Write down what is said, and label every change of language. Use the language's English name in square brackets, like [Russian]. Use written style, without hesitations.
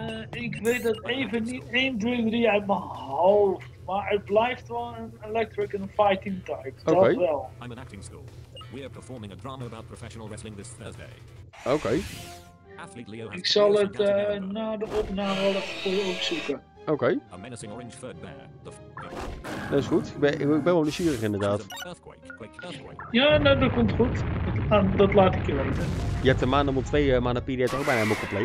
[Dutch] Ik weet het even niet, 1, 2, 3 uit mijn hoofd, maar het blijft wel een electric en fighting type, okay. Dat wel. [English] I'm an acting school. We are performing a drama about professional wrestling this Thursday. [Dutch] Oké. Okay. Ik zal het na de opname wel even voor je opzoeken. [English] Oké. Okay. A menacing orange furred bear. [Dutch] Dat is goed, ik ben wel nieuwsgierig inderdaad. Ja, nou, dat komt goed. Dat laat ik je weten. Je hebt de Manamon 2 Manapedia ook bijna helemaal compleet.